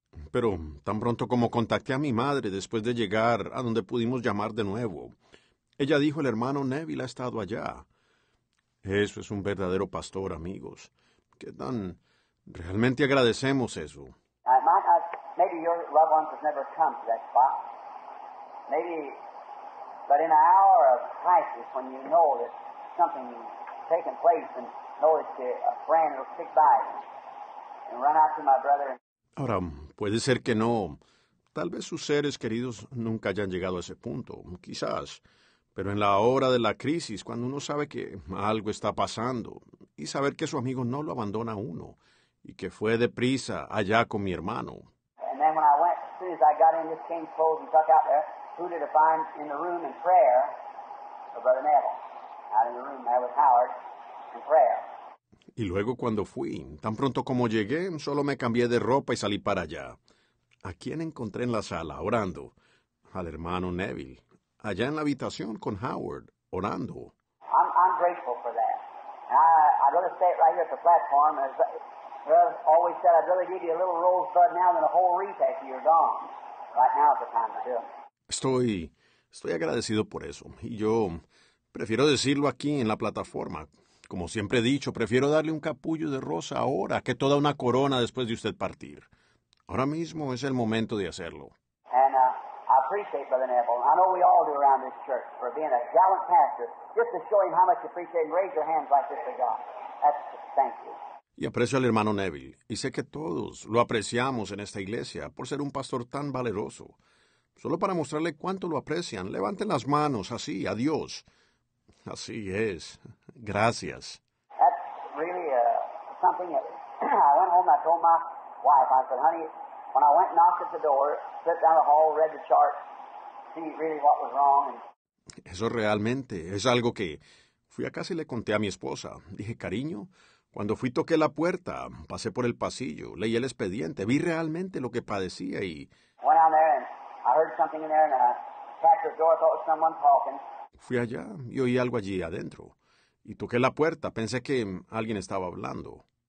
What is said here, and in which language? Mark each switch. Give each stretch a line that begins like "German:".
Spanish: Pero tan pronto como contacté a mi madre después de llegar a donde pudimos llamar de nuevo, ella dijo, el hermano Neville ha estado allá. Eso es un verdadero pastor, amigos. ¿Qué tan? Realmente agradecemos eso.
English: Maybe your loved ones have never come to that spot. Maybe, but in an hour of crisis, when you know that something is taking place and know that a friend will stick by and run out to my brother.
Spanish: Ahora, puede ser que no. Tal vez sus seres queridos nunca hayan llegado a ese punto. Quizás. Pero en la hora de la crisis, cuando uno sabe que algo está pasando y saber que su amigo no lo abandona a uno y que fue deprisa allá con mi hermano.
English: And then when I went, as soon as I got in, just came clothes and tuck out there, who did I find in the room in prayer? Brother Neville. Out in the room there with Howard in prayer.
Spanish: Y luego cuando fui, tan pronto como llegué, solo me cambié de ropa y salí para allá. ¿A quién encontré en la sala orando? Al hermano Neville. Allá en la habitación con Howard, orando.
English: I'm grateful for that. I'd rather stay right here at the platform. As Brother always said, I'd rather give you a little rosebud now than a whole wreath after you're gone. Right now is the time to do it.
Spanish: Estoy agradecido por eso. Y yo prefiero decirlo aquí en la plataforma. Como siempre he dicho, prefiero darle un capullo de rosa ahora que toda una corona después de usted partir. Ahora mismo es el momento de hacerlo.
English: And, appreciate Brother Neville. I know we all do around this church for being a gallant pastor. Just to show him how much you appreciate, raise your hands like this to God. Thank you.
Spanish: Y aprecio al hermano Neville. Y sé que todos lo apreciamos en esta iglesia por ser un pastor tan valeroso. Solo para mostrarle cuánto lo aprecian, levanten las manos así, a Dios. Así es. Gracias.
English: That's really something. I went home and I told my wife. I said, honey, when I went and knocked at the door, sat down the hall, read the chart, see really what was wrong.
Spanish: Eso realmente es algo que fui a casa y le conté a mi esposa. Dije, cariño, cuando fui toqué la puerta, pasé por el pasillo, leí el expediente, vi realmente lo que padecía y
English: went down there and I heard something in there and I tapped the door, thought it was someone talking.
Spanish: Fui allá y oí algo allí adentro. Y toqué la puerta, pensé que alguien estaba hablando.